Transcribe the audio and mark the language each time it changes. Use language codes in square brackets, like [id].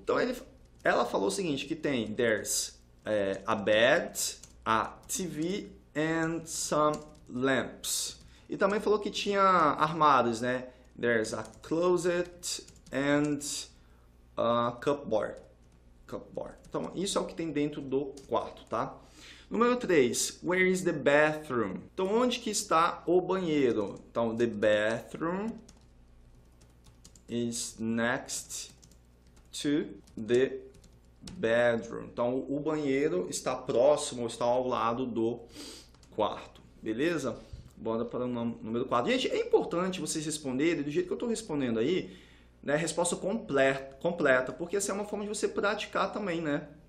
[pt] Então, ela falou o seguinte, que tem [en] there's a bed, a TV, and some lamps. [pt] E também falou que tinha armários, né? [en] There's a closet and a cupboard. [pt] Então, isso é o que tem dentro do quarto, tá? Número 3. [en] Where is the bathroom? [pt] Então, onde que está o banheiro? [en] Então, the bathroom is next to the bedroom. [pt] Então, o banheiro está próximo, está ao lado do quarto. Beleza? Bora para o número 4. Gente, é importante vocês responderem do jeito que eu estou respondendo aí, né? Resposta completa, porque essa é uma forma de você praticar também, né?